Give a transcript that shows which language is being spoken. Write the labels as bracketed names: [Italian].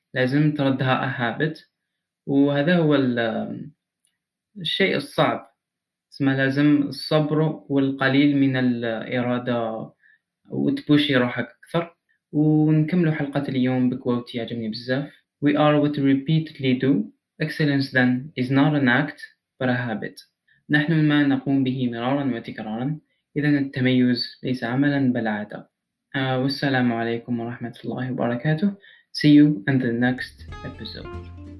[Arabic] لازم تردها [English] a habit. [Arabic] وهذا هو الشيء الصعب. اسمه لازم الصبر والقليل من الإرادة وتبوشي روحك أكثر. ونكمل حلقة اليوم بكوت يعجبني بزاف. [English] We are what we repeatedly do. Excellence then is not an act but a habit. [Arabic] نحن ما نقوم به مرارا وتكرارا. إذن التميز ليس عملا بل عادة. والسلام عليكم ورحمة الله وبركاته. [English] See you in the next episode.